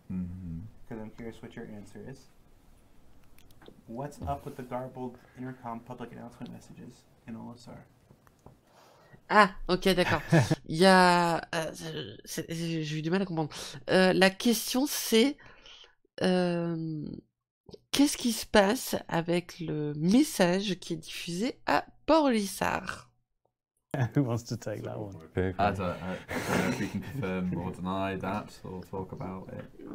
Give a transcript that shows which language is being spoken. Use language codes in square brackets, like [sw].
[en] Because I'm curious what your answer is. What's up with the garbled intercom public announcement messages in OSR? [fr] Ah, ok, d'accord. Il y a... j'ai eu du mal à comprendre. La question, c'est... qu'est-ce qui se passe avec le message qui est diffusé à Port-Lissard? [en] Who wants to take that one? I don't know if we can confirm or deny that or talk about it.